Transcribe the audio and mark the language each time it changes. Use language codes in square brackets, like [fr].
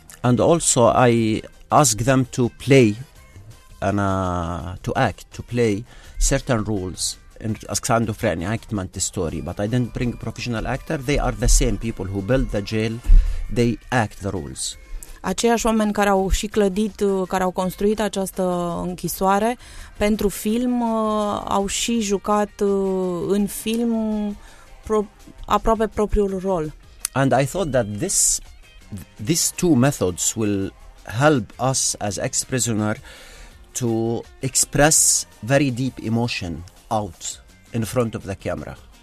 [en] And also I ask them to play and to act, to play certain roles. In schizophrenia, actment story, but I didn't bring a professional actor. They are the same people who build the jail. They act the rules. [ro] Aceiași oameni care au și clădit, care au construit această închisoare pentru film, au și jucat în film aproape propriul rol. [en] And I thought that these two methods will help us as ex-prisoner to express very deep emotion out in front of the camera.